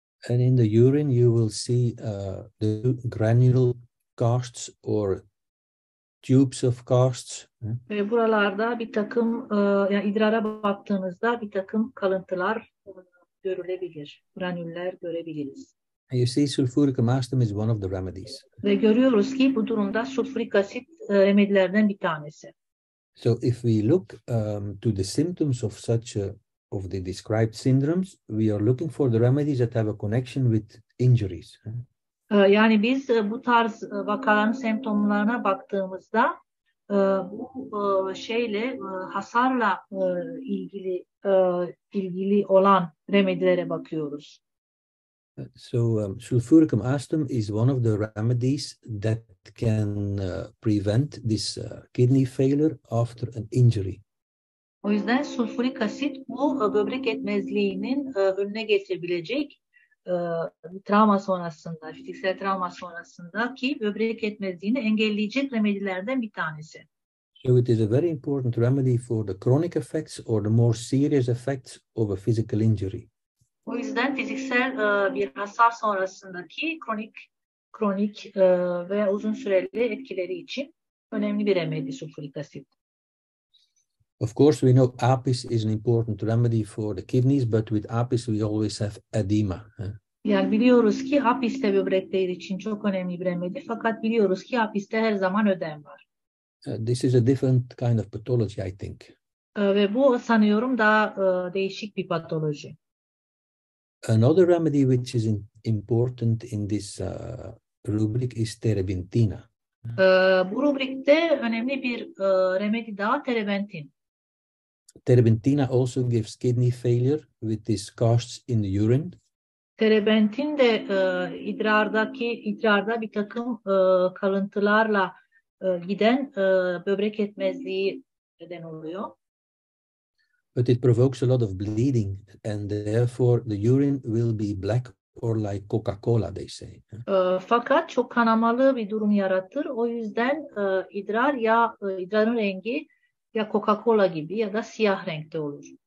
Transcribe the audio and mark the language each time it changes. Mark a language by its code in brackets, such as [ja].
[en] And in the urine, you will see the granule casts or tubes of casts. [tr] Ve buralarda bir takım, yani idrara baktığınızda bir takım kalıntılar görülebilir, granüller görebiliriz. [en] You see, sulfuric amastum is one of the remedies. [tr] Ve görüyoruz ki bu durumda sulfurik asit remedilerden bir tanesi. [en] So if we look to the symptoms of such of the described syndromes, we are looking for the remedies that have a connection with injuries. [tr] Yani biz bu tarz vakaların semptomlarına baktığımızda bu şeyle hasarla ilgili ilgili olan remedilere bakıyoruz. [en] So sulfuric amastum is one of the remedies that can prevent this kidney failure after an injury. [tr] O yüzden sulfurik asit bu böbrek yetmezliğinin önüne getirebilecek travma sonrasında, fiziksel travma sonrasındaki böbrek yetmezliğini engelleyecek remedilerden bir tanesi. [en] So it is a very important remedy for the chronic effects or the more serious effects of a physical injury. [tr] O yüzden fiziksel bir hasar sonrasındaki kronik ve uzun süreli etkileri için önemli bir remedi sulfurik asit. [en] Of course we know Apis is an important remedy for the kidneys, but with Apis we always have edema. [tr] Yani biliyoruz ki Apis de böbrekler için çok önemli bir remedi, fakat biliyoruz ki Apis'te her zaman ödem var. [en] This is a different kind of pathology, I think. [tr] Ve bu sanıyorum daha değişik bir patoloji. [en] Another remedy which is important in this rubric is terebintina. [tr] Bu rubrikte önemli bir remedi daha terebintin. [en] Terebintina also gives kidney failure with these casts in the urine. [tr] Terebintin de idrarda bir takım kalıntılarla giden böbrek yetmezliği neden oluyor. [en] But it provokes a lot of bleeding and therefore the urine will be black or like Coca-Cola, they say. [tr] Fakat çok kanamalı bir durum yaratır. O yüzden idrar ya idrarın rengi ya Coca-Cola gibi ya da siyah renkte olur.